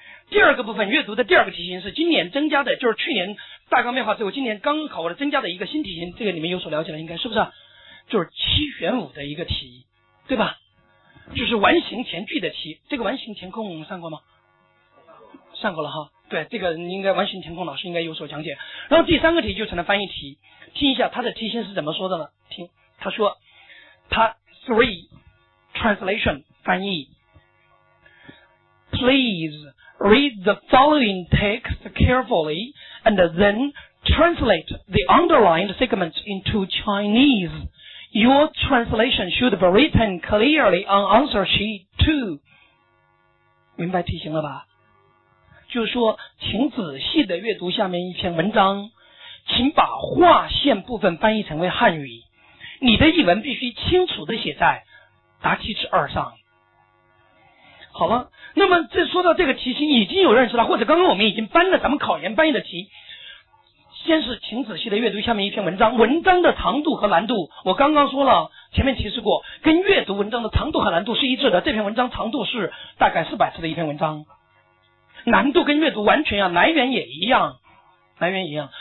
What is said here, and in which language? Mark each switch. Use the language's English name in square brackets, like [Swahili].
[Chinese] 第二个部分阅读的第二个题型是今年增加的，就是去年大纲变化之后，今年刚考过的增加的一个新题型，这个你们有所了解了，应该是不是？就是七选五的一个题，对吧？就是完形填句的题，这个完形填空我们上过吗？上过了哈，对，这个应该完形填空老师应该有所讲解。然后第三个题就成了翻译题，听一下他的题型是怎么说的呢？听他说，他 [English] three translation 翻译 ，please read the following text carefully and then translate the underlined segments into Chinese. Your translation should be written clearly on answer sheet two. [Chinese] 明白题型了吧？就是说请仔细的阅读下面一篇文章，请把划线部分翻译成为汉语，你的译文必须清楚的写在答题纸二上。好了，那么这说到这个题型已经有认识了，或者刚刚我们已经翻了咱们考研翻译的题，先是请仔细的阅读下面一篇文章，文章的长度和难度我刚刚说了，前面提示过跟阅读文章的长度和难度是一致的，这篇文章长度是大概400字的一篇文章，难度跟阅读完全一样，来源也一样，来源一样。